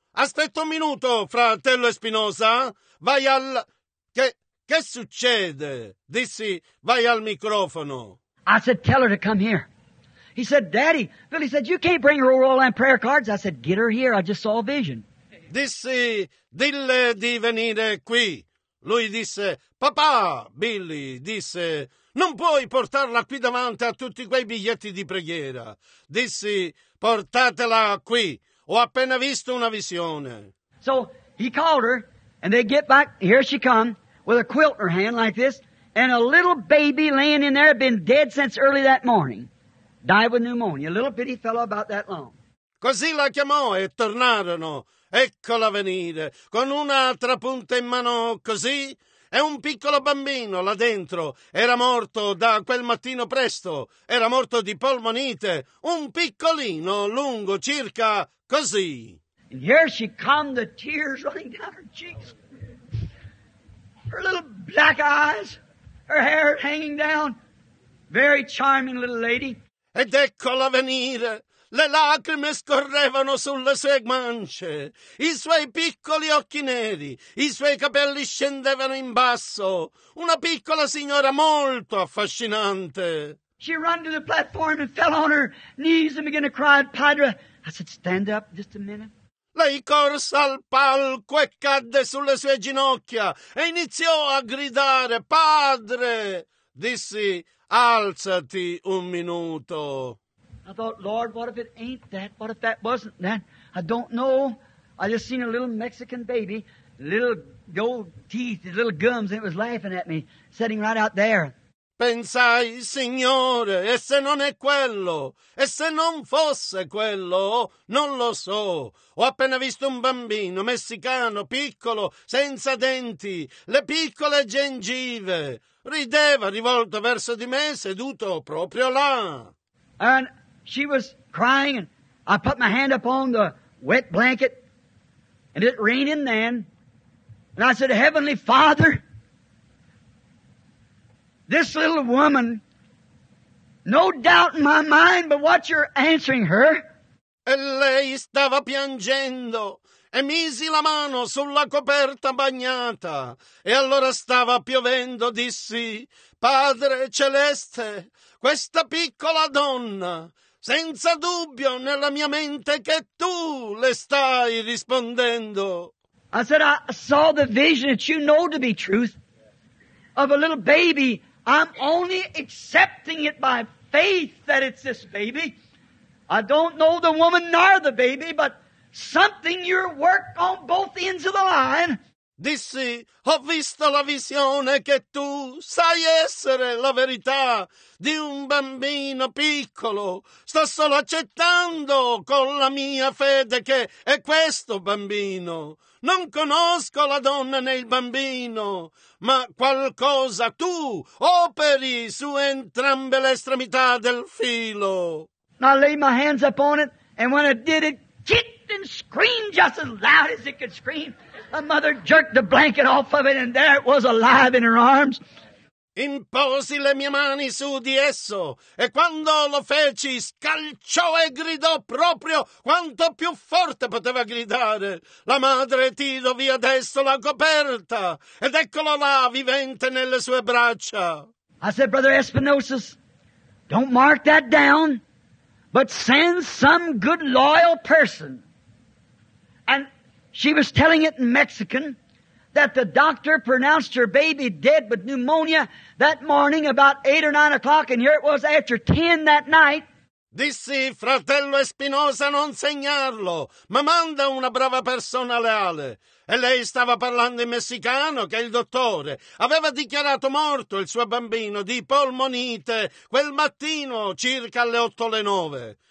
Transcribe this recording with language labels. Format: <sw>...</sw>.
<it>Aspetta un minuto, fratello Espinosa, vai al... Che succede? Dissi, vai al microfono.</it> <en>I said, tell her to come here. He said, Daddy, Billy said, you can't bring her old Roland prayer cards. I said, get her here, I just saw a vision.</en> <it>Dissi, dille di venire qui. Lui disse, papà, Billy, disse, non puoi portarla qui davanti a tutti quei biglietti di preghiera. Dissi, portatela qui. Ho appena visto una visione.</it> <en>So he called her, and they get back. Here she come with a quilt in her hand like this, and a little baby laying in there, been dead since early that morning. Died with pneumonia, a little bitty fellow about that long.</en> <it>Così la chiamò e tornarono. Eccola venire, con una trapunta in mano così, e un piccolo bambino là dentro. Era morto da quel mattino presto. Era morto di polmonite. Un piccolino lungo circa... Così.</it> <en>And here she come, the tears running down her cheeks. Her little black eyes, her hair hanging down. Very charming little lady.</en> <it>Ed eccola venire. Le lacrime scorrevano sulle sue guance. I suoi piccoli occhi neri. I suoi capelli scendevano in basso. Una piccola signora molto affascinante.</it> <en>She run to the platform and fell on her knees and began to cry, Padre. I said, stand up just a minute.</en> <it>Lei corse al palco e cadde sulle sue ginocchia e iniziò a gridare, Padre! Dissi, alzati un minuto.</it> <en>I thought, Lord, what if it ain't that? What if that wasn't that? I don't know. I just seen a little Mexican baby, little gold teeth, little gums, and it was laughing at me, sitting right out there.</en> <it>Pensai, Signore, e se non è quello, e se non fosse quello, non lo so. Ho appena visto un bambino messicano, piccolo, senza denti, le piccole gengive. Rideva, rivolto verso di me, seduto proprio là.</it> <en>And she was crying, and I put my hand up on the wet blanket, and it raining then, and I said, Heavenly Father, this little woman, no doubt in my mind, but what you're answering her.</en> <it>E lei stava piangendo, e misi la mano sulla coperta bagnata, e allora stava piovendo, dissi, Padre Celeste, questa piccola donna, senza dubbio nella mia mente che tu le stai rispondendo.</it> <en>I said, I saw the vision that you know to be truth of a little baby. I'm only accepting it by faith that it's this baby. I don't know the woman nor the baby, but something your work on both ends of the line.</en> <it>Dissi, ho visto la visione che tu sai essere la verità di un bambino piccolo. Sto solo accettando con la mia fede che è questo bambino. Non conosco la donna né il bambino, ma qualcosa tu operi su entrambe le estremità del filo.</it> <en>I laid my hands upon it, and when I did it, kicked and screamed just as loud as it could scream. A mother jerked the blanket off of it, and there it was alive in her arms.</en> <it>Imposi le mie mani su di esso, e quando lo feci, scalciò e gridò proprio quanto più forte poteva gridare. La madre tirò via adesso la coperta, ed eccolo là, vivente nelle sue braccia.</it> <en>I said, Brother Espinosa, don't mark that down, but send some good, loyal person. And she was telling it in Mexican that the doctor pronounced her baby dead with pneumonia that morning about 8 or 9 o'clock, and here it was after 10 that night.</en> <it>Dissi, fratello Espinosa, non segnarlo, ma manda una brava persona leale. E lei stava parlando in messicano che il dottore aveva dichiarato morto il suo bambino di polmonite quel mattino circa alle 8 o le 9.</it>